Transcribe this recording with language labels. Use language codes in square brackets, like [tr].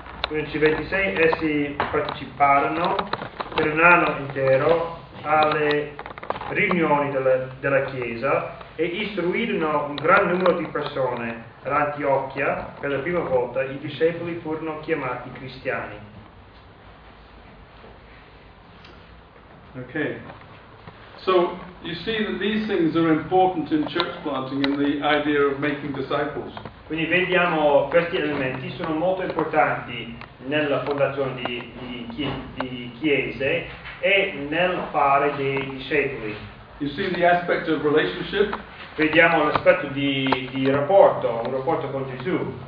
[it] 11:26. Essi parteciparono per un anno intero alle riunioni della Chiesa e istruirono un gran numero di persone. Ad Antiochia, per la prima volta, i discepoli furono chiamati cristiani. Ok. [en] So you see that these things are important in church planting in the idea of making disciples. [it] Quindi vediamo questi elementi sono molto importanti nella fondazione di chiese e nel fare dei discepoli. [en] You see the aspect of relationship. [it] Vediamo l'aspetto di rapporto, un rapporto con Gesù.